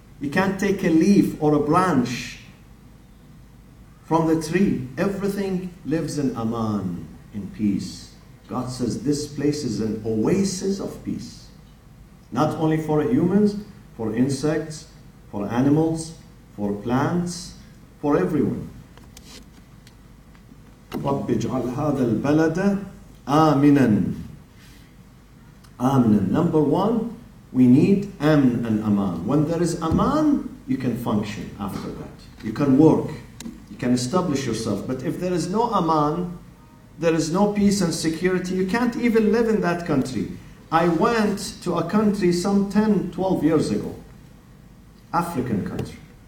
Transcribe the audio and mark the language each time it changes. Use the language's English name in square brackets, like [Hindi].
[English] You can't take a leaf or a branch from the tree. Everything lives in aman, in peace. God says this place is an oasis of peace. Not only for humans, for insects, for animals, for plants, for everyone. [Arabic] رب اجعل هذا البلد آمنا آمنا. [English] Number one, we need amn and aman. When there is aman, you can function after that. You can work. You can establish yourself. But if there is no aman, there is no peace and security, you can't even live in that country. I went to a country some 10, 12 years ago. African country.